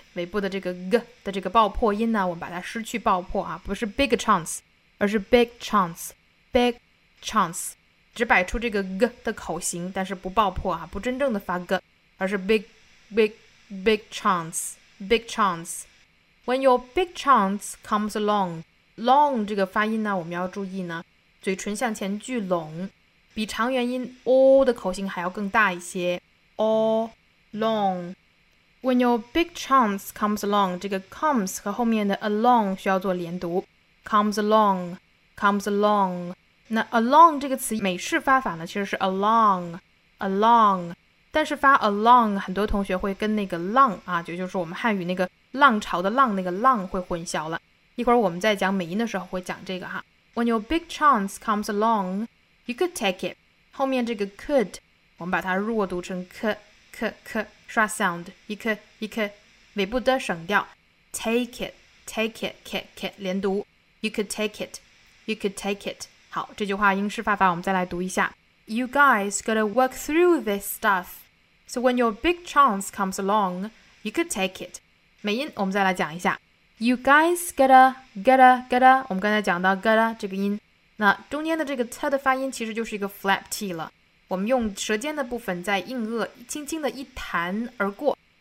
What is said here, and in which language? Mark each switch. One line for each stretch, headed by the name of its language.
Chinese: 尾部的这个 g 的这个爆破音呢我们把它失去爆破啊不是 big chance 而是 big chance big chance 只摆出这个 g 的口型但是不爆破啊不真正的发 g 而是 big big big chance big chance When your big chance comes along, long 这个发音呢，我们要注意呢，嘴唇向前聚拢，比长元音 o 的口型还要更大一些。
English: o long.
Chinese: When your big chance comes along, 这个 comes 和后面的 along 需要做连读。
English: Comes along, comes along.
Chinese: 那 along 这个词美式发法呢，其实是 along, along. 但是发 along 很多同学会跟那个浪啊，就是我们汉语那个浪潮的浪，那个浪会混淆了。一会儿我们在讲美音的时候会讲这个哈。
English: When your big chance comes along, you could take it.
Chinese: 后面这个 could, 我们把它弱读成 k, k, k, 刷 sound, 一 k, 一 k, 尾部的省掉。
English: Take it, take it, k, k, 连读。 You could take it, you could take it.
Chinese: 好，这句话英式发法我们再来读一下。
English: You guys gotta work through this stuff. So when your big chance comes along, you could take it.
Chinese: 美音我们再来讲一下。
English: You guys gotta,
Chinese: 我们刚才讲到 gotta 这个音。那中间的这个 t 的发音其实就是一个 flap t 了。我们用舌尖的部分在硬腭轻轻的一弹而过。